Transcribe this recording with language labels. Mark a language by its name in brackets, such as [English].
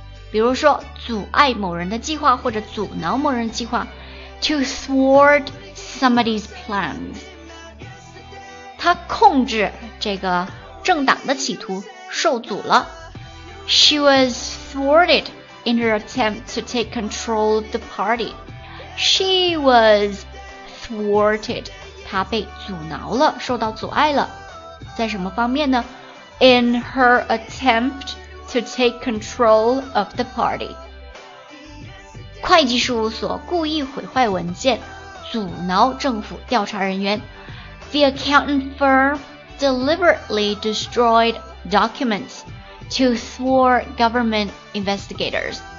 [Chinese] 比如说阻碍某人的计划或者阻挠某人的计划， [English] to thwart somebody's plans， [Chinese] 它控制这个政党的企图受阻了。 [English] She was thwartedin her attempt to take control of the party. She was thwarted. [Chinese] 她被阻挠了，受到阻碍了。在什么方面呢？ [English] In her attempt to take control of the party. [Chinese] 会计事务所故意毁坏文件，阻挠政府调查人员。 [English] The accountant firm deliberately destroyed documents to thwart government investigators.